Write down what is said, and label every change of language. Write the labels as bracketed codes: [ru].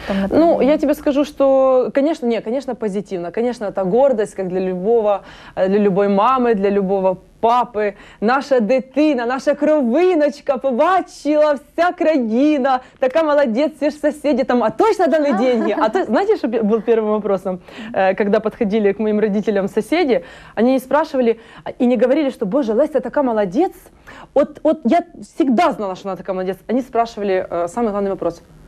[ru] Ну, я тебе скажу, что, конечно, не, конечно, позитивно. Конечно, это гордость, как для любой мамы, для любого папы. [uk] Наша дитина, наша кровиночка побачила вся країна. [ru] Така молодец, все ж соседи там, а точно дали деньги? А то, знаете, что был первым вопросом, когда подходили к моим родителям соседи, они спрашивали и не говорили, что, боже, Леся такая молодец. Вот я всегда знала, что она такая молодец. Они спрашивали самый главный вопрос.